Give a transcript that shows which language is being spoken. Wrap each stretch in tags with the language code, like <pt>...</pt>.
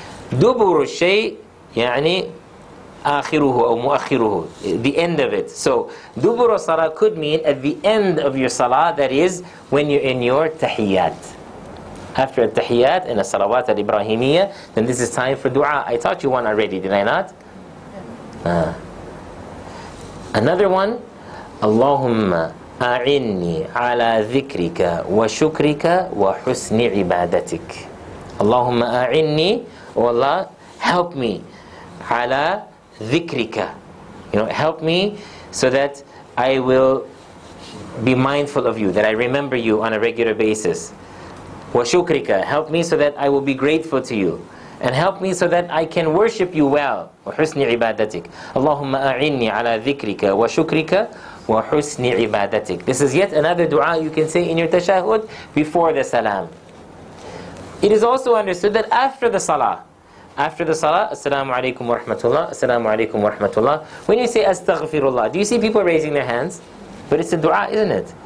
<ar>Dubur al-shay, يعني آخره أو مؤخره,</ar> <en>the end of it. So,</en> <ar>دبر الصلاة</ar> <en>could mean at the end of your salah, that is, when you're in your tahiyyat. After a tahiyyat and a salawat al-Ibrahimiyya, then this is time for dua. I taught you one already, did I not? Another one,</en> <ar>اللهم أعني على ذكرك وشكرك وحسن عبادتك. اللهم أعني,</ar> <en>oh Allah, help me</en> <ar>على ذكرك,</ar> <en>you know, help me so that I will be mindful of you, that I remember you on a regular basis.</en> <ar>وشكرك,</ar> <en>help me so that I will be grateful to you, and help me so that I can worship you well.</en> <ar>وحسن عبادتك. اللهم أعني على ذكرك وشكرك وحسن عبادتك.</ar> <en>This is yet another dua you can say in your tashahud before the salam. It is also understood that after the salah, after the salah,</en> <ar>assalamu alaykum wa rahmatullah,</ar> <en>assalamu alaykum wa rahmatullah. When you say astaghfirullah, do you see people raising their hands? But it's a dua, isn't it?</en>